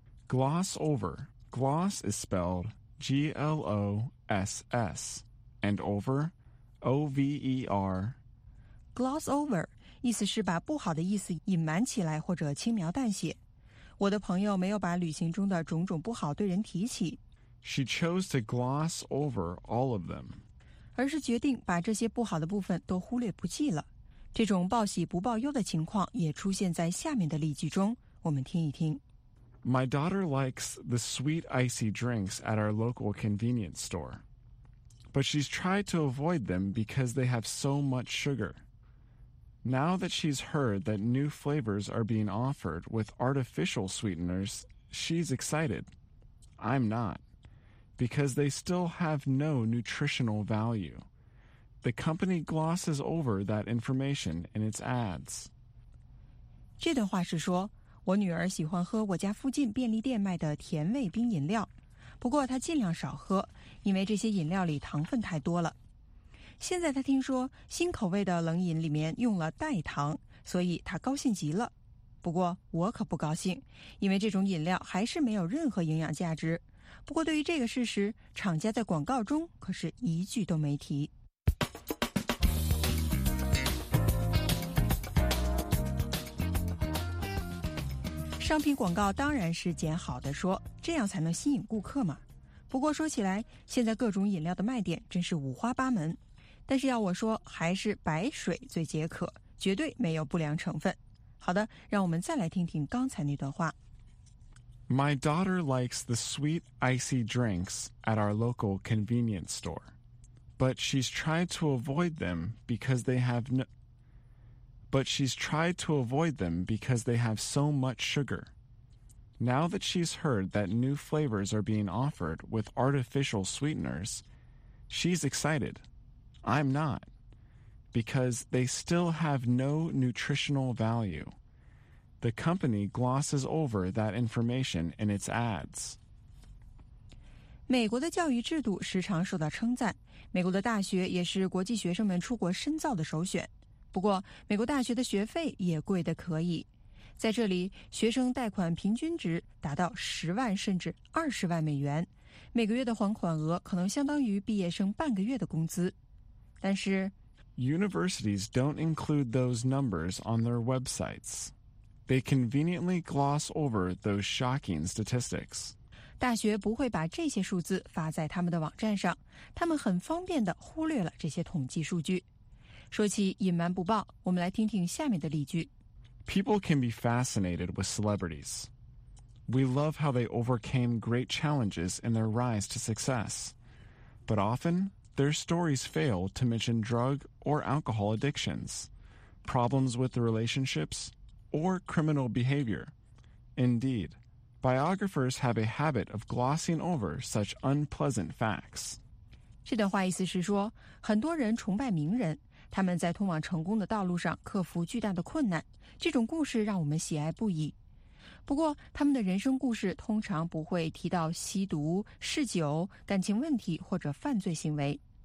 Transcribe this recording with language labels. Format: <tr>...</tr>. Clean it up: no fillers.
<en>Gloss over. Gloss is spelled G-L-O-S-S. And over, O-V-E-R.</en> <zh>Gloss over, 意思是把不好的意思隐瞒起来或者轻描淡写。我的朋友没有把旅行中的种种不好对人提起。</zh> <en>She chose to gloss over all of them.</en> <zh>而是决定把这些不好的部分都忽略不计了。这种报喜不报忧的情况也出现在下面的例句中，我们听一听。</zh> <en>My daughter likes the sweet icy drinks at our local convenience store, but she's tried to avoid them because they have so much sugar. Now that she's heard that new flavors are being offered with artificial sweeteners, she's excited. I'm not, because they still have no nutritional value. The company glosses over that information in its ads.</en> <zh>这段话是说，我女儿喜欢喝我家附近便利店卖的甜味冰饮料，不过她尽量少喝，因为这些饮料里糖分太多了。现在她听说新口味的冷饮里面用了代糖，所以她高兴极了。不过我可不高兴，因为这种饮料还是没有任何营养价值。不过对于这个事实，厂家在广告中可是一句都没提。商品广告当然是捡好的说，这样才能吸引顾客嘛。不过说起来，现在各种饮料的卖点真是五花八门，但是要我说，还是白水最解渴，绝对没有不良成分。好的，让我们再来听听刚才那段话。 My daughter likes the sweet icy drinks at our local convenience store, but she's tried to avoid them because they have nobut she's tried to avoid them because they have so much sugar. Now that she's heard that new flavors are being offered with artificial sweeteners, she's excited. I'm not, because they still have no nutritional value. The company glosses over that information in its ads. 美国的教育制度时常受到称赞，美国的大学也是国际学生们出国深造的首选。不过美国大学的学费也贵得可以，在这里学生贷款平均值达到10万甚至20万美元，每个月的还款额可能相当于毕业生半个月的工资。但是</zh> <en>Universities don't include those numbers on their websites. They conveniently gloss over those shocking statistics.</en> <zh>大学不会把这些数字发在他们的网站上，他们很方便地忽略了这些统计数据。说起隐瞒不报，我们来听听下面的例句。</zh> <en>People can be fascinated with celebrities. We love how they overcame great challenges in their rise to success. But often, their stories fail to mention drug or alcohol addictions, problems with relationships, or criminal behavior. Indeed, biographers have a habit of glossing over such unpleasant facts.</en> <zh>这段话意思是说，很多人崇拜名人，他们在通往成功的道路上克服巨大的困难，这种故事让我们喜爱不已。不过，他们的人生故事通常不会提到吸毒、嗜酒、感情问题或者犯罪行为。</zh>